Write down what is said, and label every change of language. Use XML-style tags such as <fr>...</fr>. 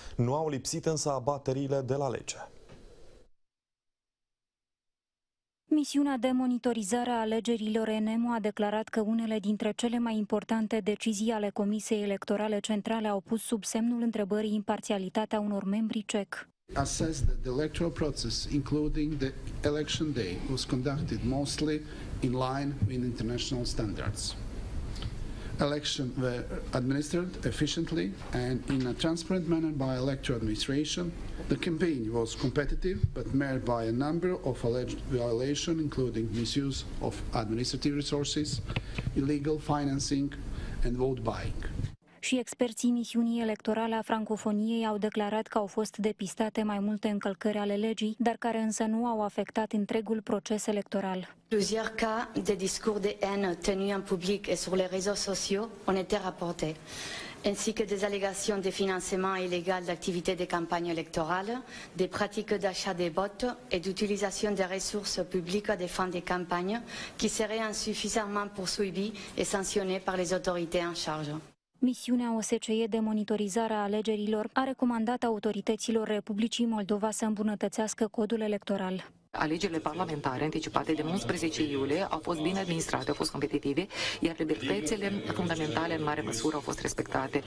<ro>Nu au lipsit însă abateriile de la lege. Misiunea de monitorizare a alegerilor ENEMU a declarat că unele dintre cele mai importante decizii ale Comisiei Electorale Centrale au pus sub semnul întrebării imparțialitatea unor membri CEC.</ro> <en>Assess that the electoral process, including the election day, was conducted mostly in line with international standards. Elections were administered efficiently and in a transparent manner by electoral administration. The campaign was competitive but marred by a number of alleged violations, including misuse of administrative resources, illegal financing and vote buying.</en> <ro>Și experții misiunii electorale a francofoniei au declarat că au fost depistate mai multe încălcări ale legii, dar care însă nu au afectat întregul proces electoral.</ro> <fr>Plusieurs cas de discours de haine tenus en public et sur les réseaux sociaux ont été rapportés, ainsi que des allégations de financement illégal d'activités de campagne électorale, des pratiques d'achat des votes et d'utilisation des ressources publiques à des fins de campagne qui seraient insuffisamment poursuivies et sanctionnées par les autorités en charge.</fr> <ro>Misiunea OSCE de monitorizare a alegerilor a recomandat autorităților Republicii Moldova să îmbunătățească codul electoral. Alegerile parlamentare anticipate din 11 iulie au fost bine administrate, au fost competitive, iar libertățile fundamentale în mare măsură au fost respectate.</ro>